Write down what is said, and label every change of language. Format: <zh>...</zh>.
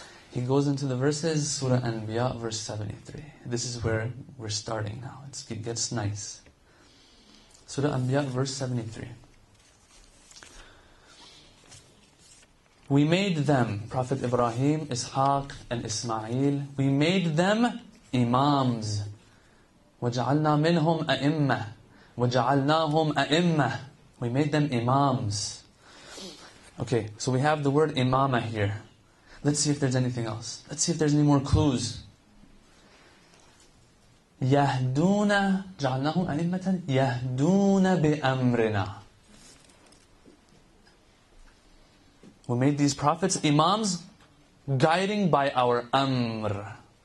<en>He goes into the verses, Surah Anbiya, verse 73. This is where we're starting now. It gets nice. Surah Anbiya, verse 73. We made them, Prophet Ibrahim, Ishaq, and Ismail, we made them imams.</en> <ar>وَجَعَلْنَا مِنْهُمْ أَئِمَّةً وَجَعَلْنَاهُمْ أَئِمَّةً</ar> <en>We made them imams. Okay, so we have the word imama here. Let's see if there's anything else. Let's see if there's any more clues.</en> <ar>يَهْدُونَ جَعَلْنَاهُمْ أَئِمَّةً يَهْدُونَ بِأَمْرِنَا</ar> <en>We made these prophets imams guiding by our amr.</en>